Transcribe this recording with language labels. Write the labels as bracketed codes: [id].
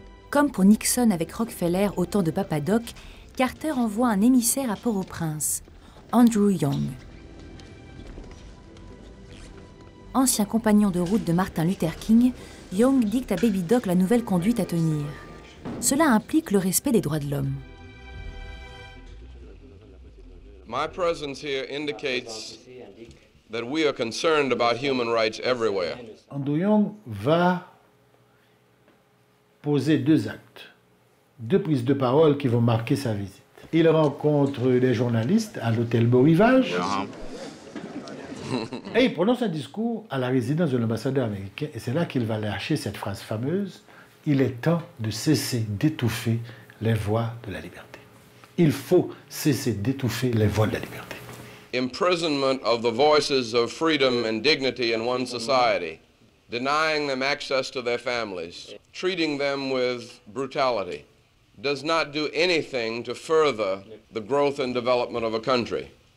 [fr] Comme pour Nixon avec Rockefeller au temps de Papadoc, Carter envoie un émissaire à Port-au-Prince, Andrew Young. Ancien compagnon de route de Martin Luther King, Young dicte à Baby Doc la nouvelle conduite à tenir. Cela implique le respect des droits de l'homme. [en] My presence here indicates that we are concerned about human rights everywhere. [fr] Andrew Young va poser deux actes, deux prises de parole qui vont marquer sa visite. Il rencontre les journalistes à l'hôtel Beau Rivage. Et il prononce un discours à la résidence de l'ambassadeur américain. Et c'est là qu'il va lâcher cette phrase fameuse. Il est temps de cesser d'étouffer les voix de la liberté. Il faut cesser d'étouffer les voix de la liberté. [en] Imprisonment of the voices of freedom and dignity in one society. Denying them access to their families, treating them with brutality, does not do anything to further the growth and development of a country.